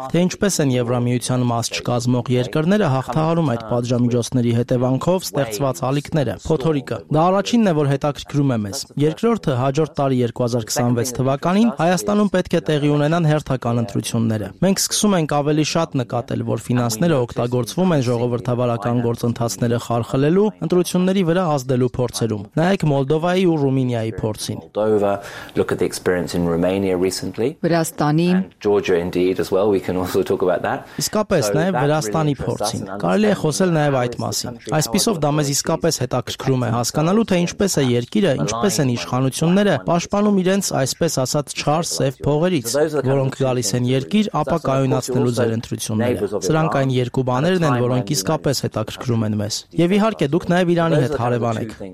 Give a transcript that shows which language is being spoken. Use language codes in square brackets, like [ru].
[hy] թե ինչպես են Եվրամիության մաս չկազմող երկրները հաղթահարում այդ պատժամիջոցների հետևանքով ստեղծված ալիքները։ Փոթորիկը, դա առաջինն է, որ հետաքրքրում է մեզ։ Երկրորդը, հաջորդ տարի 2026 թվականին Հայաստանում պետք է տեղի ունենան հերթական ընտրությունները։ Մենք սկսում ենք ավելի շատ նկատել, որ ֆինանսները օգտագործվում են ժողովրդավարական գործընթացները խարխլելու, ընտրությունների վրա ազդելու փորձերում։ Նայեք Մոլդովայի ու Ռումինիայի փորձին։ [en] Look at the experience in Romania recently. [hy] Վրաստանի [en] and Georgia indeed as well, we can also talk about that. [hy] Իսկապես, նաև Վրաստանի փորձին։ Կարելի է խոսել նաև այդ մասին։ Այսպիսով դա մեզ իսկապես հետաքրքրում է հասկանալու, թե ինչպես է երկիրը, ինչպես են իշխանությունները պաշտպանում իրենց այսպես ասած չար սև փողերից, որոնք գալիս են երկիր ապա կայունացնելու ձեր ընտրությունները։ Սրանք այն երկու բաներն են, որոնք իսկապես հետաքրքրում են մեզ։ Եվ իհարկե դուք նաև Իրանի հետ հարևան եք։